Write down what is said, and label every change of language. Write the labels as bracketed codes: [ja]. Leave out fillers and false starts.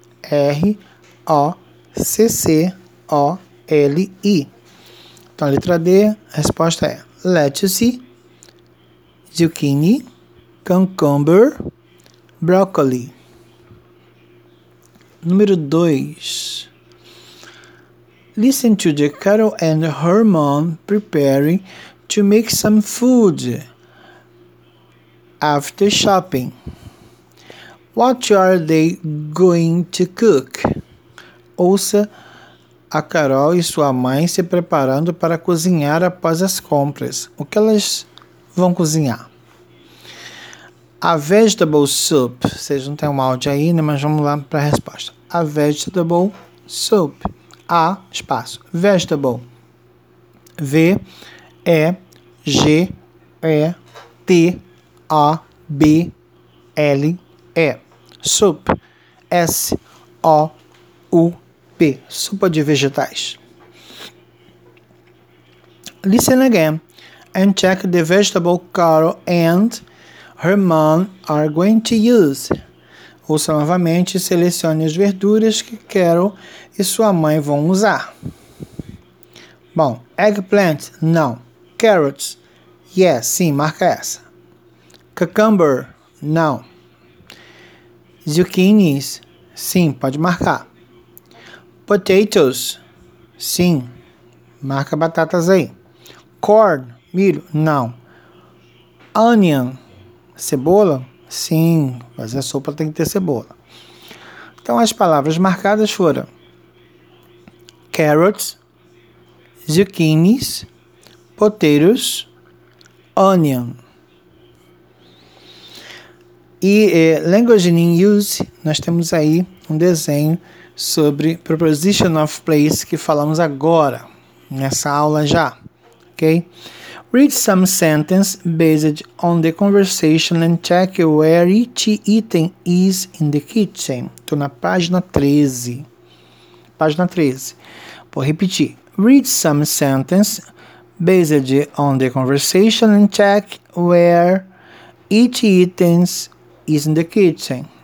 [pt] Então, a letra D, a resposta é [en] lettuce, zucchini, cucumber, [pt] brócoli. Número 2. [en] Listen to the Carol and her mom preparing to make some food after shopping. What are they going to cook? [pt] Ouça a Carol e sua mãe se preparando para cozinhar após as compras. O que elas vão cozinhar? [en] A vegetable soup. [pt] Vocês não têm um áudio aí, né? Mas vamos lá para a resposta. [en] A vegetable soup. [pt] A, espaço. Vegetable. [en] V, E, G, E, T, A, B, L, E. Soup. S, O, U, P. [pt] P, sopa de vegetais. [en] Listen again and check the vegetable Carol and her mom are going to use. [pt] Ouça novamente e selecione as verduras que Carol e sua mãe vão usar. Bom, eggplant, não. [en] Carrots, yes, [pt] sim, marca essa. Cucumber, não. Zucchinis, sim, pode marcar. Potatoes, sim, marca batatas aí. Corn, milho, não. Onion, cebola, sim, fazer sopa tem que ter cebola. Então as palavras marcadas foram [en] carrots, zucchinis, potatoes, onion. [pt] E language in use, nós temos aí um desenho sobre preposition of place que falamos agora, nessa aula já, ok? [en] Read some sentence based on the conversation and check where each item is in the kitchen. [pt] Estou na página 13. Página 13. Vou repetir. [en] Read some sentence based on the conversation and check where each item is in the kitchen.